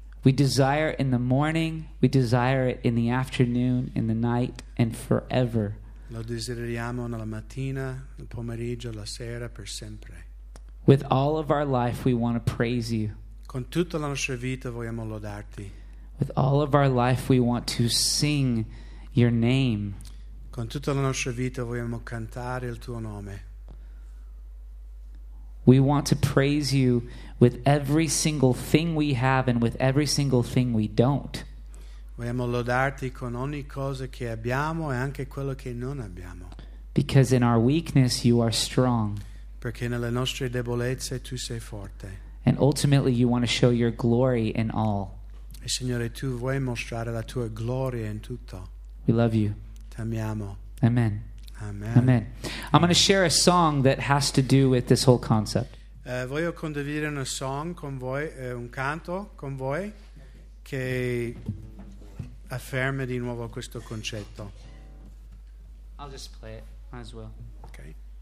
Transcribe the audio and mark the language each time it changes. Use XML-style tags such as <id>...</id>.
<en>We desire in the morning, we desire it in the afternoon, in the night, and forever.</en> <it>Lo desideriamo nella mattina, nel pomeriggio, la sera, per sempre.</it> <en>With all of our life, we want to praise you.</en> <it>Con tutta la nostra vita vogliamo lodarti.</it> <en>With all of our life, we want to sing your name.</en> <it>Con tutta la nostra vita vogliamo cantare il tuo nome.</it> <en>We want to praise you with every single thing we have and with every single thing we don't.</en> <it>Vogliamo lodarti con ogni cosa che abbiamo e anche quello che non abbiamo.</it> <en>Because in our weakness, you are strong.</en> <it>Perché nelle nostre debolezze tu sei forte.</it> <en>And ultimately, you want to show your glory in all.</en> <it>E Signore, tu vuoi mostrare la tua gloria in tutto.</it> <en>We love you.</en> <it>Ti amiamo.</it> <en>Amen.</en> <it>Amen.</it> <en>Amen. I'm going to share a song that has to do with this whole concept.</en> <it>Voglio condividere una song con voi, un canto con voi che afferma di nuovo questo concetto.</it> <en>I'll just play it. Might as well. Okay.</en>